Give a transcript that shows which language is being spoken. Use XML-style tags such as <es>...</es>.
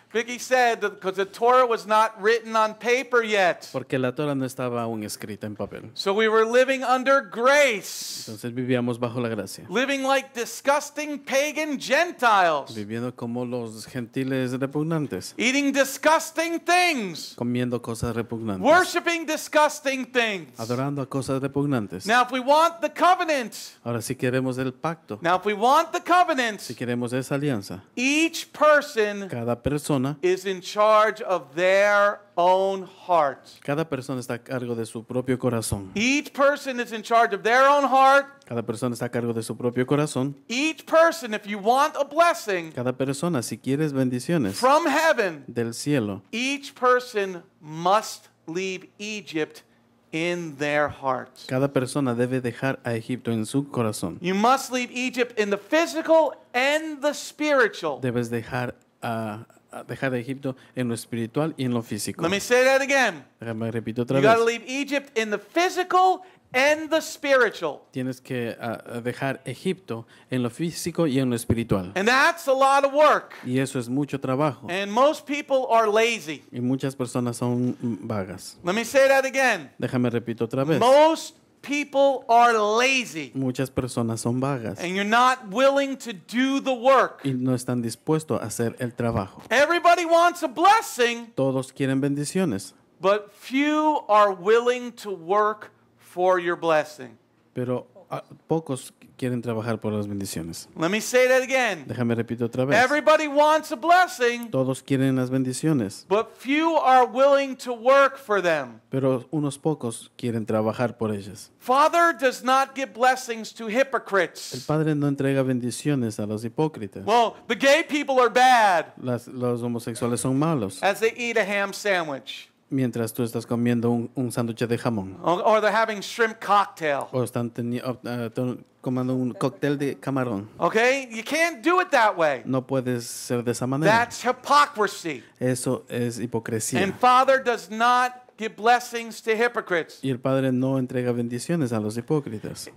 <en>Vicky said that because the Torah was not written on paper yet.</en> <es>Porque la Torah no estaba aún escrita en papel.</es> <en>So we were living under grace.</en> <es>Entonces vivíamos bajo la gracia.</es> <en>Living like disgusting pagan Gentiles.</en> <es>Viviendo como los gentiles repugnantes.</es> <en>Eating disgusting things.</en> <es>Comiendo cosas repugnantes.</es> <en>Worshiping disgusting things.</en> <es>Adorando a cosas repugnantes.</es> <en>Now if we want the covenant.</en> <es>Ahora si queremos el pacto.</es> <en>Now if we want the covenant.</en> <es>Si queremos esa alianza.</es> <en>Each person.</en> <es>Cada persona.</es> <en>Is in charge of their own heart.</en> <es>Cada persona está a cargo de su propio corazón.</es> <en>Each person is in charge of their own heart.</en> <es>Cada persona está a cargo de su propio corazón.</es> <en>Each person, if you want a blessing,</en> <es>cada persona, si quieres bendiciones,</es> <en>from heaven,</en> <es>del cielo,</es> <en>each person must leave Egypt in their hearts.</en> <es>Cada persona debe dejar a Egipto en su corazón.</es> <en>You must leave Egypt in the physical and the spiritual.</en> <es>Debes dejar dejar a Egipto en lo espiritual y en lo físico.</es> <en>Let me say that again.</en> <es>Déjame repito otra vez.</es> <en>You gotta leave Egypt in the physical and the spiritual.</en> <es>Tienes que dejar Egipto en lo físico y en lo espiritual.</es> <en>And that's a lot of work.</en> <es>Y eso es mucho trabajo.</es> <en>And most people are lazy.</en> <es>Y muchas personas son vagas.</es> <en>Let me say that again.</en> <es>Déjame repito otra vez.</es> <en>Most people are lazy.</en> <es>Muchas personas son vagas.</es> <en>And you're not willing to do the work.</en> <es>Y no están dispuestos a hacer el trabajo.</es> <en>Everybody wants a blessing.</en> <es>Todos quieren bendiciones.</es> <en>But few are willing to work for your blessing.</en> <es>Pero pocos quieren trabajar por las bendiciones.</es> <en>Let me say that again.</en> <es>Déjame repito otra vez.</es> <en>Everybody wants a blessing.</en> <es>Todos quieren las bendiciones.</es> <en>But few are willing to work for them.</en> <es>Pero unos pocos quieren trabajar por ellas.</es> <en>Father does not give blessings to hypocrites.</en> <es>El Padre no entrega bendiciones a los hipócritas.</es> <en>Well, the gay people are bad.</en> <es>Los homosexuales son malos.</es> <en>As they eat a ham sandwich.</en> <es>Mientras tú estás comiendo un sándwich de jamón.</es> <en>Or they're having shrimp cocktail.</en> <es>O están comiendo un cóctel de camarón.</es> <en>Okay, you can't do it that way.</en> <es>No puedes ser de esa manera.</es> <en>That's hypocrisy.</en> <es>Eso es hipocresía.</es> <en>And Father does not give blessings to hypocrites.</en> <es>Y el Padre no entrega bendiciones a los hipócritas.</es>